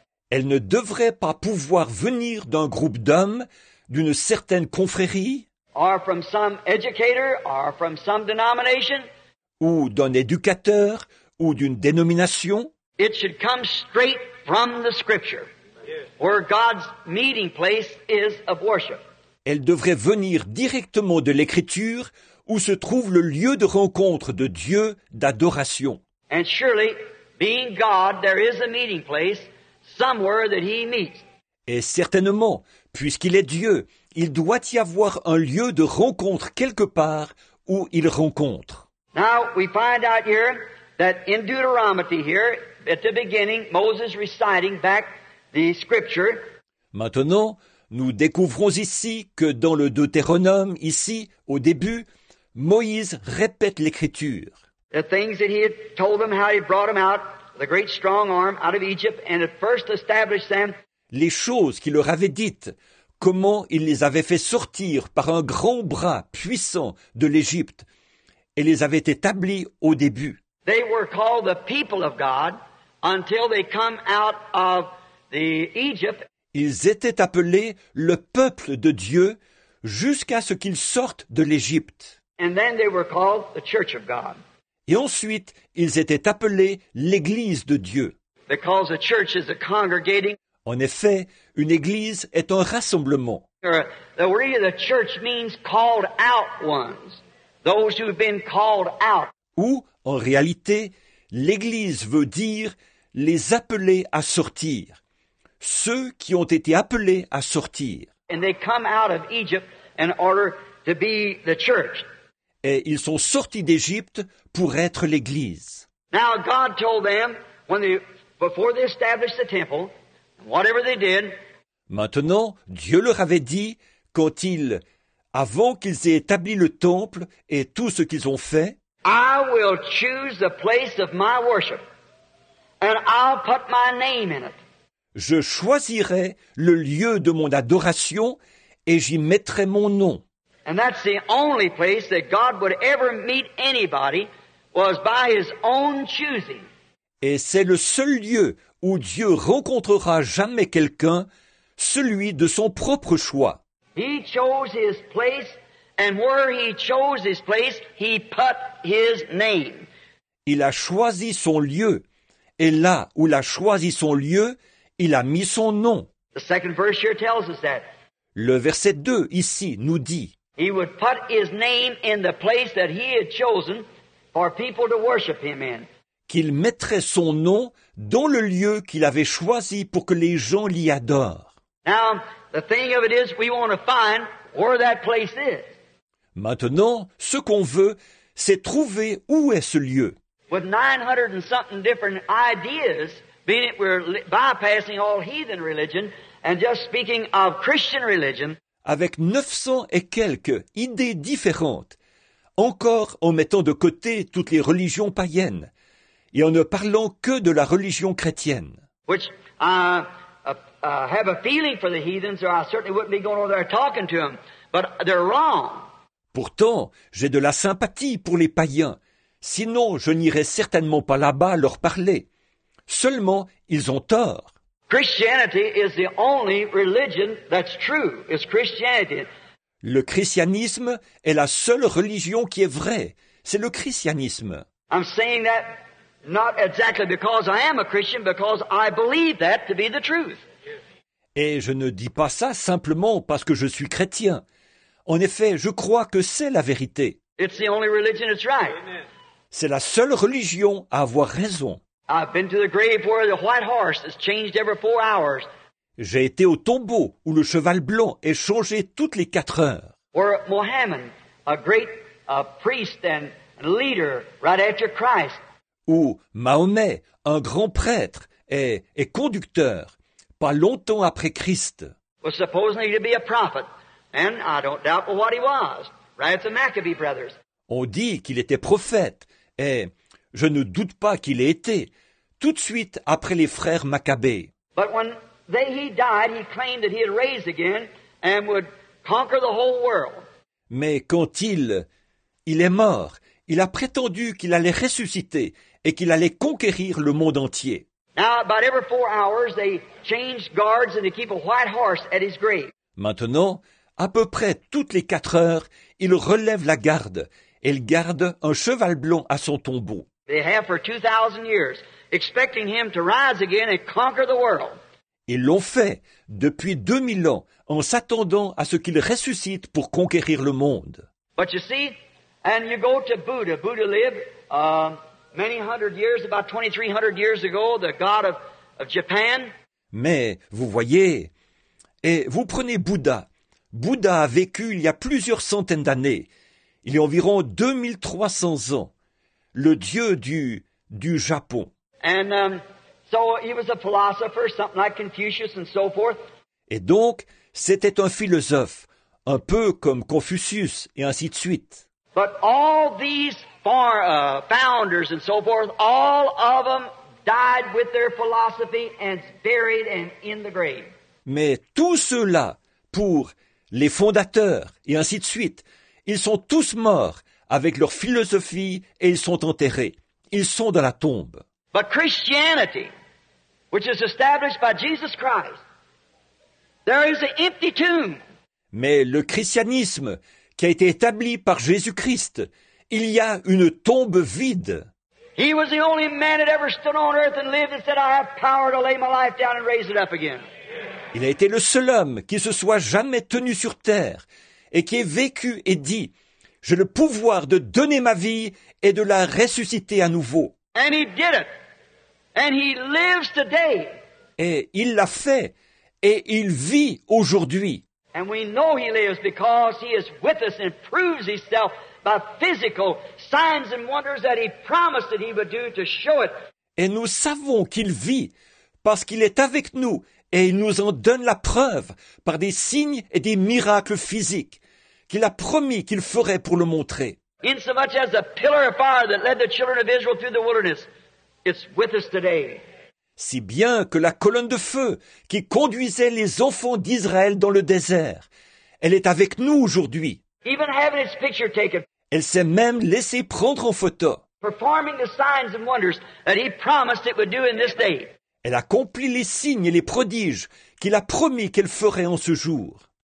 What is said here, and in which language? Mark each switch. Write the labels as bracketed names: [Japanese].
[French] Elle ne devrait pas pouvoir venir d'un groupe d'hommes, d'une certaine confrérie, [English] or from some educator, or from some denomination, [French] ou d'un éducateur, ou d'une dénomination. [English] It should come straight from the scripture, where God's meeting place is of worship. [French] Elle devrait venir directement de l'écriture, où se trouve le lieu de rencontre de Dieu, d'adoration. [English] And surely, being God, there is a meeting place somewhere that he meets. [French] Et certainement, puisqu'il est Dieu, il doit y avoir un lieu de rencontre quelque part où il rencontre. [English] Now, we find out here that in Deuteronomy here, at the beginning, Moses reciting back the scripture. [French] Maintenant, nous découvrons ici que dans le Deutéronome, ici, au début, Moïse répète l'écriture. [English] The things that he had told them, how he brought them out, the great strong arm out of Egypt, and at first established them. [French] Les choses qu'il leur avait dites, comment il les avait fait sortir par un grand bras puissant de l'Égypte, et les avait établis au début. [English] They were called the people of God until they come out of the Egypt. [French] Ils étaient appelés le peuple de Dieu jusqu'à ce qu'ils sortent de l'Égypte. [English] And then they were called the church of God. [French] Et ensuite, ils étaient appelés l'Église de Dieu. [English] Because a church is a congregating. [French] En effet, une église est un rassemblement. [English] The word of the church means called out ones, those who have been called out. [French] Ou, en réalité, l'église veut dire les appelés à sortir, ceux qui ont été appelés à sortir. [English] And they come out of Egypt in order to be the church. [French] Et ils sont sortis d'Égypte pour être l'église. [English] Now God told them when they before they established the temple. Whatever they did. [French] Maintenant, Dieu leur avait dit, quand ils, avant qu'ils aient établi le temple et tout ce qu'ils ont fait, [English] I will choose the place of my worship, and I'll put my name in it. [French] Je choisirai le lieu de mon adoration et j'y mettrai mon nom. [English] And that's the only place that God would ever meet anybody was by his own choosing. [French] Et c'est le seul lieu où Dieu rencontrera jamais quelqu'un, celui de son propre choix. [English] He chose his place, and where he chose his place, he put his name. [French] Il a choisi son lieu, et là où il a choisi son lieu, il a mis son nom. [English] The second verse here tells us that. [French] Le verset 2 ici nous dit, [English] he would put his name in the place that he had chosen for people to worship him in. [French] Qu'il mettrait son nom dans le lieu qu'il avait choisi pour que les gens l'y adorent. [English] Now, the thing of it is, we want to find where that place is. [French] Maintenant, ce qu'on veut, c'est trouver où est ce lieu. [English] With 900 and something different ideas, being that we're bypassing all heathen religion and just speaking of Christian religion. [French] Avec 900 et quelques idées différentes, encore en mettant de côté toutes les religions païennes, et en ne parlant que de la religion chrétienne. [English] Which have a feeling for the heathens, or I certainly wouldn't be going over there talking to them. But they're wrong. [French] Pourtant, j'ai de la sympathie pour les païens. Sinon, je n'irais certainement pas là-bas leur parler. Seulement, ils ont tort. [English] Christianity is the only religion that's true. It's Christianity. [French] Le christianisme est la seule religion qui est vraie. C'est le christianisme. [English] I'm saying that. Not exactly because I am a Christian, because I believe that to be the truth. [French] Et je ne dis pas ça simplement parce que je suis chrétien. En effet, je crois que c'est la vérité. [English] It's the only religion that's right. [French] C'est la seule religion à avoir raison. [English] I've been to the grave where the white horse has changed every 4 hours. [French] J'ai été au tombeau où le cheval blanc est changé toutes les 4 heures. [English] Where Mohammed, a great priest and leader right after Christ, [French] où Mahomet, un grand prêtre, est conducteur, pas longtemps après Christ. [English] Was supposedly to be a prophet, and I don't doubt what he was, right at the Maccabee brothers. [French] On dit qu'il était prophète, et je ne doute pas qu'il ait été, tout de suite après les frères Maccabée. [English] But when he died, he claimed that he had raised again and would conquer the whole world. [French] Mais quand il est mort, il a prétendu qu'il allait ressusciter et qu'il allait conquérir le monde entier. [English] Now, about every 4 hours, they change guards and they keep a white horse at his grave. [French] Maintenant, à peu près toutes les 4 heures, il relève la garde et il garde un cheval blanc à son tombeau. [English] They have for 2,000 years, expecting him to rise again and conquer the world. [French] Ils l'ont fait depuis 2000 ans en s'attendant à ce qu'il ressuscite pour conquérir le monde. [English] But you see, and you go to Buddha. Buddha lived many hundred years, about 2,300 years ago, the god of Japan. [French] Mais vous voyez, et vous prenez Bouddha. Bouddha a vécu il y a plusieurs centaines d'années. Il y a environ 2,300 ans. le dieu du Japon. [English] And so he was a philosopher, something like Confucius and so forth. [French] Et donc, c'était un philosophe, un peu comme Confucius et ainsi de suite. [English] But all these founders and so forth, all of them died with their philosophy and buried and in the grave. [French] Mais tous ceux-là, pour les fondateurs et ainsi de suite, ils sont tous morts avec leur philosophie et ils sont enterrés. Ils sont dans la tombe. [English] But Christianity, which is established by Jesus Christ, there is an empty tomb. [French] Mais le christianisme qui a été établi par Jésus-Christ, il y a une tombe vide. [English] He was the only man that ever stood on earth and lived and said, I have power to lay my life down and raise it up again. [French] Il a été le seul homme qui se soit jamais tenu sur terre et qui ait vécu et dit, j'ai le pouvoir de donner ma vie et de la ressusciter à nouveau. [English] And he did it. And he lives today. [French] Et il l'a fait et il vit aujourd'hui. [English] And we know he lives because he is with us and proves himself by physical signs and wonders that he promised that he would do to show it. [French] Et nous savons qu'il vit parce qu'il est avec nous. Et il nous en donne la preuve par des signes et des miracles physiques qu'il a promis qu'il ferait pour le montrer. [English] Insomuch as the pillar of fire that led the children of Israel through the wilderness, it's with us today. [French] Si bien que la colonne de feu qui conduisait les enfants d'Israël dans le désert, elle est avec nous aujourd'hui. [English] Even having its picture taken, [French] elle s'est même laissée prendre en photo. [English] Performing the signs and wonders that he promised it would do in this day. [French] Elle accomplit les signes et les prodiges qu'il a promis qu'elle ferait en ce jour.